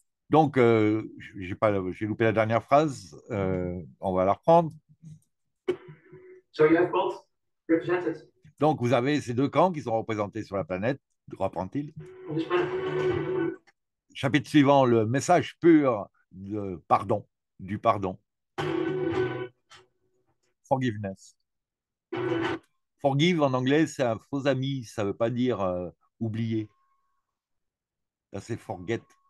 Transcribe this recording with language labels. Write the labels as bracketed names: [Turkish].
[French] Donc, j'ai loupé la dernière phrase, on va la reprendre. [English] So you have both represented. [French] Donc, vous avez ces deux camps qui sont représentés sur la planète, reprend-il. Chapitre suivant, le message pur de pardon, du pardon. Forgiveness. Forgive, en anglais, c'est un faux ami, ça ne veut pas dire oublier. Là, c'est forget.